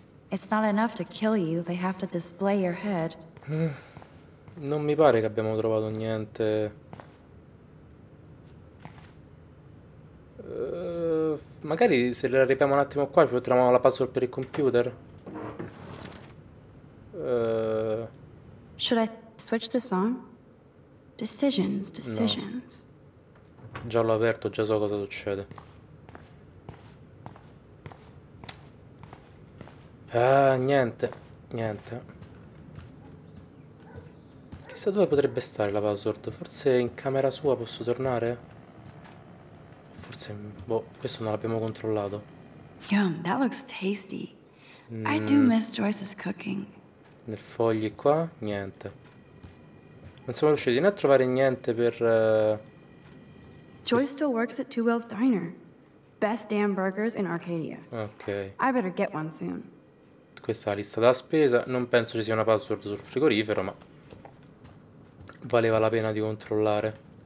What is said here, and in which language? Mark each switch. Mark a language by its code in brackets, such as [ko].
[en] It's not enough to kill you, they have to display your head. [it] Non mi pare che abbiamo trovato niente. Magari se le arriviamo un attimo qua, ci troviamo la password per il computer. [en] Should I switch this on? Decisions, decisions. No. [it] Già l'ho aperto, già so cosa succede. Ah, niente, niente. Chissà dove potrebbe stare la password. Forse in camera sua posso tornare? Forse, boh, questo non l'abbiamo controllato. [en] Yum, that looks tasty. I do miss Joyce's cooking. [it] Nel foglio qua, niente. Non siamo riusciti né a trovare niente per... [en] Joyce still works at Two Wells Diner. Best damn burgers in Arcadia. Ok. I better get one soon. [it] Questa è la lista della spesa. Non penso ci sia una password sul frigorifero, ma... valeva la pena di controllare.